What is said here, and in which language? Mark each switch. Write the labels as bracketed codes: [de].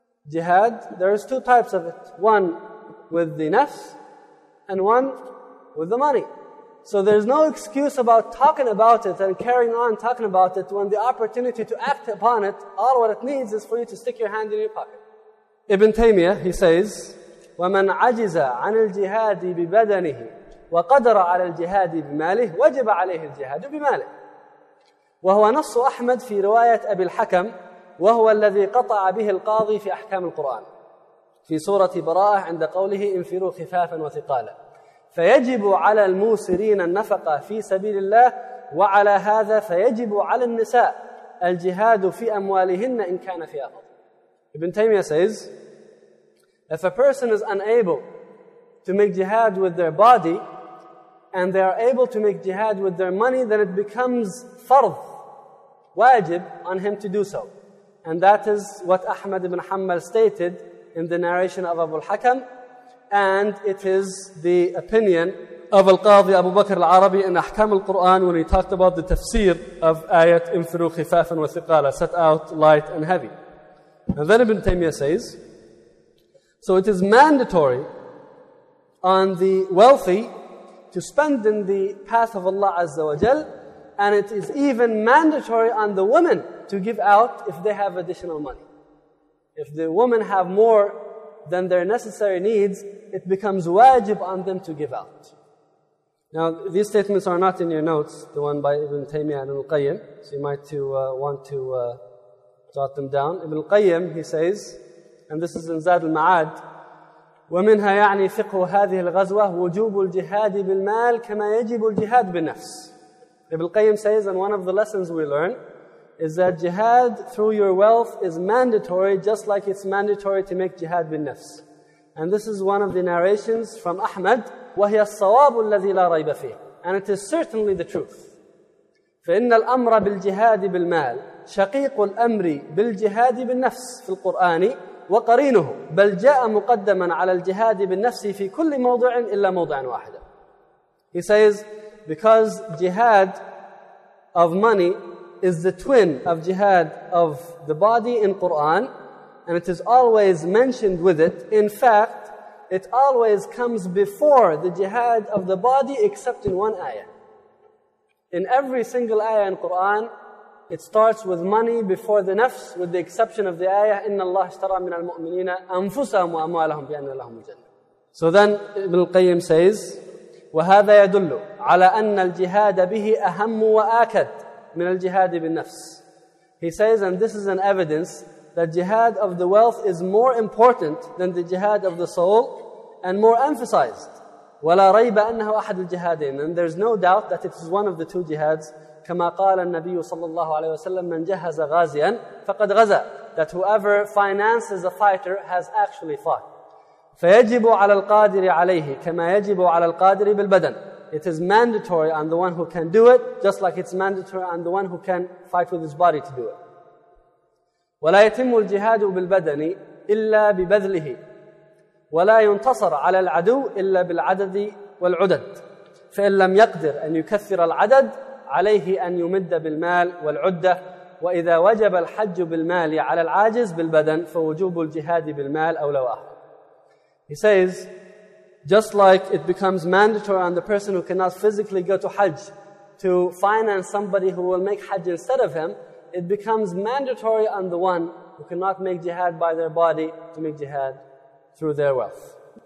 [en] Jihad, there is two types of it. One with the nafs and one with the money. So there's no excuse about talking about it and carrying on talking about it when the opportunity to act upon it, all what it needs is for you to stick your hand in your pocket. Ibn Taymiyyah, he says, [ar] وَمَنْ عَجِزَ عَنِ الْجِهَادِ بِبَدَنِهِ وَقَدَرَ عَلَى الْجِهَادِ بِمَالِهِ وَجِبَ عَلَيْهِ الْجِهَادُ بِمَالِهِ. وهو نص أحمد في رواية أبي الحكم وهو الذي قطع به القاضي في أحكام القرآن في سورة براءة عند قوله انفروا خفافا وثقالا. فيجب على الموسرين النفقة في سبيل الله، وعلى هذا فيجب على النساء الجهاد في أموالهن إن كان في أرض. [en] ابن تيمية says, if a person is unable to make jihad with their body and they are able to make jihad with their money, then it becomes fard, wajib on him to do so. And that is what Ahmad ibn Hanbal stated in the narration of Abu al-Hakam, and it is the opinion of al-Qadhi Abu Bakr al-Arabi in Ahkam al-Qur'an when he talked about the tafsir of ayat infiru khifafan wa thiqala, set out light and heavy. And then Ibn Taymiyyah says, so it is mandatory on the wealthy to spend in the path of Allah Azza wa Jal, and it is even mandatory on the women to give out if they have additional money. If the women have more than their necessary needs, it becomes wajib on them to give out. Now, these statements are not in your notes, the one by Ibn Taymiyyah and Ibn al-Qayyim, so you might want to jot them down. Ibn al-Qayyim, he says, and this is in Zad al-Ma'ad, [ar] ومنها يعني فقه هذه الغزوة وجوب الجهاد بالمال كما يجب الجهاد بالنفس. [en] Ibn al-Qayyim says, and one of the lessons we learn is that jihad through your wealth is mandatory, just like it's mandatory to make jihad [ar] بالنفس. [en] And this is one of the narrations from Ahmad, [ar] وهي الصواب الذي لا ريب فيه. [en] And it is certainly the truth. [ar] فإن الأمر بالجهاد بالمال شقيق الأمر بالجهاد بالنفس في القرآن وقرينه، بل جاء مقدما على الجهاد بالنفس في كل موضع إلا موضع واحد. [en] He says, because jihad of money is the twin of jihad of the body in Quran, and it is always mentioned with it. In fact, it always comes before the jihad of the body except in one ayah. In every single ayah in Quran, it starts with money before the nafs, with the exception of the ayah, [ar] إِنَّ اللَّهَ اشْتَرَى مِنَ الْمُؤْمِنِينَ أَنفُسَهُمْ وَأَمْوَالَهُمْ بِأَنَّ لَهُمُ الْجَنَّةَ. [en] So then Ibn al-Qayyim says, [ar] وَهَذَا يَدُلُّ عَلَى أَنَّ الْجِهَادَ بِهِ أَهَمُّ وَآكَدُ مِنَ الْجِهَادِ بِالنَّفْسِ. [en] He says, and this is an evidence that jihad of the wealth is more important than the jihad of the soul and more emphasized. [ar] وَلَا رَيْبَ أَنَّهُ أَحَدُ الْجِهَادِينَ. [en] And there's no doubt that it is one of the two jihads. [ar] كما قال النبي صلى الله عليه وسلم من جهز غازيا فقد غزا. [en] That whoever finances a fighter has actually fought. [ar] فيجب على القادر عليه كما يجب على القادر بالبدن. [en] It is mandatory on the one who can do it, just like it's mandatory on the one who can fight with his body to do it. [ar] ولا يتم الجهاد بالبدن إلا ببذله ولا ينتصر على العدو إلا بالعدد والعدد فإن لم يقدر أن يكثر العدد عليه أن يمد بالمال والعدة وإذا وجب الحج بالمال على العاجز بالبدن فوجوب الجهاد بالمال أولى وأحرى. [en] He says, just like it becomes mandatory on the person who cannot physically go to Hajj to finance somebody who will make Hajj instead of him, it becomes mandatory on the one who cannot make jihad by their body to make jihad through their wealth.